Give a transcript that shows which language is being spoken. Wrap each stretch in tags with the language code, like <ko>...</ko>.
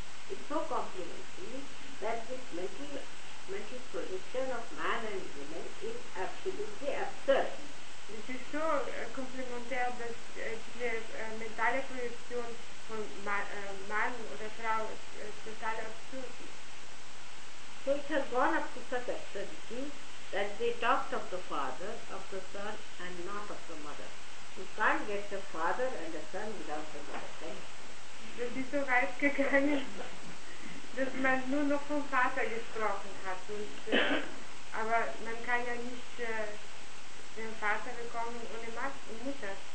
<en>It's so complimentary that this mental position of man and woman is absolutely absurd.</en> <de>Es ist so komplementär, dass diese mentale Projektion von Mann oder Frau total absurd ist.</de> <en>So it has gone up to such absurdity that they talked of the father, of the son, and not of the mother. You can't get the father and the son without the mother, right?</en> <de>Das ist so weit gegangen, dass man nur noch vom Vater gesprochen hat. Aber man kann ja nicht den Vater bekommen ohne Mutter.</de>